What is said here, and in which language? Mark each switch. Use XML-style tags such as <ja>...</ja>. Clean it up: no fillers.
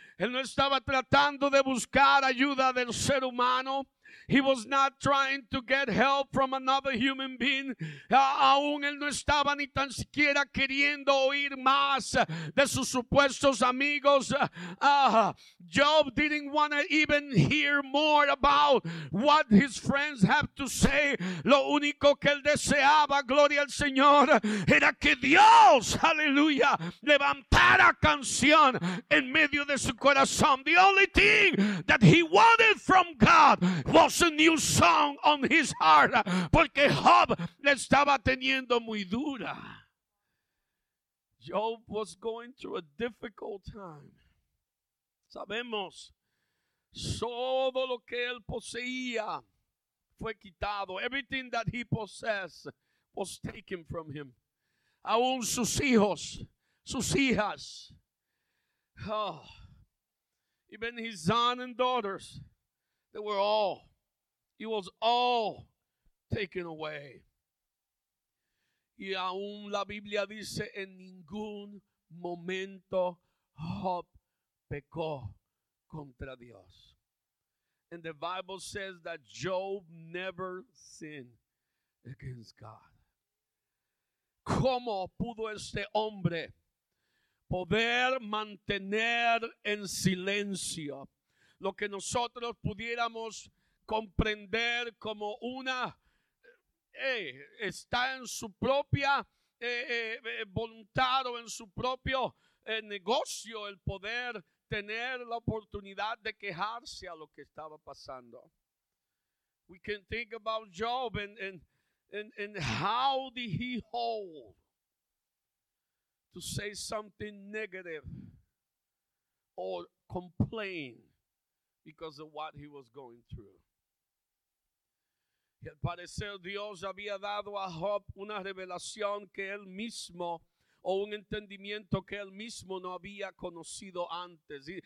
<es>Él no estaba tratando de buscar ayuda del ser humano.</es> <en>He was not trying to get help from another human being.</en> <es>Aún él no estaba ni tan siquiera queriendo oír más de sus supuestos amigos.</es> <en>Job didn't want to even hear more about what his friends have to say.</en> <es>Lo único que él deseaba, gloria al Señor, era que Dios, aleluya, levantara canción en medio de su corazón.</es> <en>The only thing that he wanted from God was a new song on his heart,</en> <es>porque Job le estaba teniendo muy dura.</es> <en>Job was going through a difficult time.</en> <es>Sabemos, todo lo que él poseía fue quitado.</es> <en>Everything that he possessed was taken from him.</en> <es>Aún sus hijos, sus hijas. Oh.</es> <en>Even his son and daughters, they were all, he was all taken away.</en> <es>Y aún la Biblia dice, en ningún momento Job pecó contra Dios.</es> <en>And the Bible says that Job never sinned against God.</en> <es>¿Cómo pudo este hombre poder mantener en silencio lo que nosotros pudiéramos comprender como una, está en su propia voluntad o en su propio negocio el poder tener la oportunidad de quejarse a lo que estaba pasando?</es> <en>We can think about Job and how did he hold to say something negative or complain because of what he was going through.</en> <es>Y al parecer Dios había dado a Job una revelación que él mismo, o un entendimiento que él mismo no había conocido antes.</es>